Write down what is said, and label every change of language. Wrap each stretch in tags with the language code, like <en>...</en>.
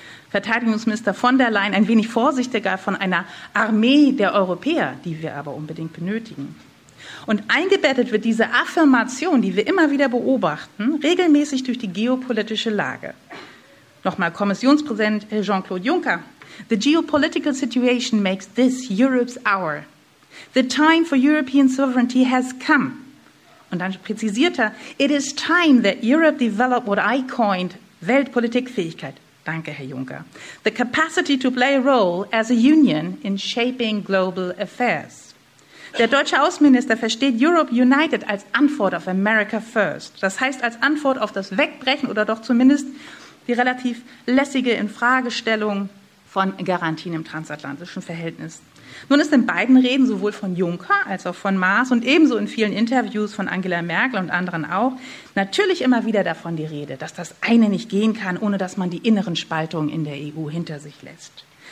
<de>Verteidigungsminister von der Leyen ein wenig vorsichtiger von einer Armee der Europäer, die wir aber unbedingt benötigen. Und eingebettet wird diese Affirmation, die wir immer wieder beobachten, regelmäßig durch die geopolitische Lage. Nochmal Kommissionspräsident Jean-Claude Juncker.</de> <en>The geopolitical situation makes this Europe's hour. The time for European sovereignty has come.</en> <de>Und dann präzisiert er,</de> <en>it is time that Europe develop what I coined Weltpolitikfähigkeit.</en> <de>Danke, Herr Juncker.</de> <en>The capacity to play a role as a union in shaping global affairs.</en> <de>Der deutsche Außenminister versteht Europe United als Antwort auf America First. Das heißt, als Antwort auf das Wegbrechen oder doch zumindest die relativ lässige Infragestellung von Garantien im transatlantischen Verhältnis. Nun ist in beiden Reden, sowohl von Juncker als auch von Maas und ebenso in vielen Interviews von Angela Merkel und anderen auch, natürlich immer wieder davon die Rede, dass das eine nicht gehen kann, ohne dass man die inneren Spaltungen in der EU hinter sich lässt.</de>